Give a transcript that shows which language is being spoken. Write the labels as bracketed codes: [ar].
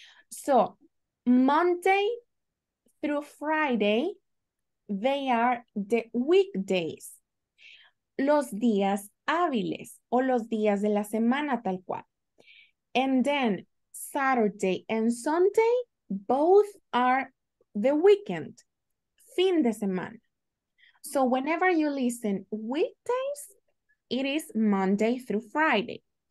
[en] So, Monday through Friday, they are the weekdays. [es] Los días hábiles o los días de la semana tal cual. [en] And then Saturday and Sunday, both are the weekend, [es] fin de semana. [en] So whenever you listen weekdays, it is Monday through Friday.